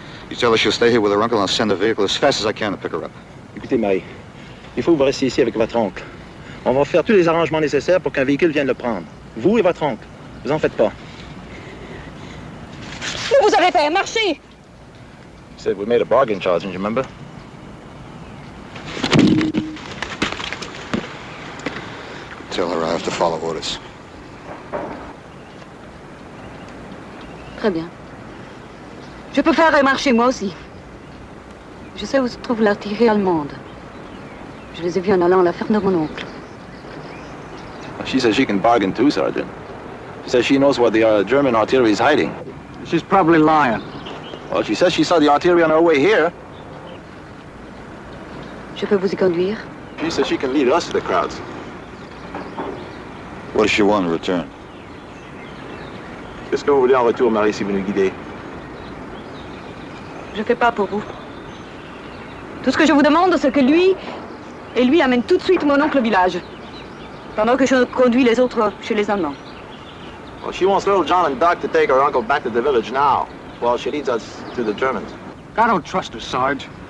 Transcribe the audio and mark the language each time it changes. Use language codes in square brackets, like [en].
[en] You tell her she'll stay here with her uncle and I'll send a vehicle as fast as I can to pick her up. [fr] Écoutez, Marie, il faut que vous restiez ici avec votre oncle. On va faire tous les arrangements nécessaires pour qu'un véhicule vienne le prendre. Vous et votre oncle. Vous en faites pas. Mais vous avez fait marcher! [en] You said we made a bargain, Charles, don't you remember? Tell her I have to follow orders. [fr] Très bien. Je peux faire marcher moi aussi. Je sais où se trouve l'artillerie allemande. Je les ai vus en allant à la ferme de mon oncle. [en] She says she can bargain too, Sergeant. She says she knows where the German artillery is hiding. She's probably lying. Well, she says she saw the artillery on her way here. [fr] Je peux vous y conduire? [en] She says she can lead us to the crowds. What does she want in return? [fr] Qu'est-ce que vous voulez en retour, Marie, si vous nous guidez? Je fais pas pour vous. Tout ce que je vous demande, c'est que lui et lui amène tout de suite mon oncle au village. Pendant que je conduis les autres chez les Allemands. [en] Well, she wants little John and Doc to take her uncle back to the village now, while she leads us to the Germans. I don't trust her, Sarge.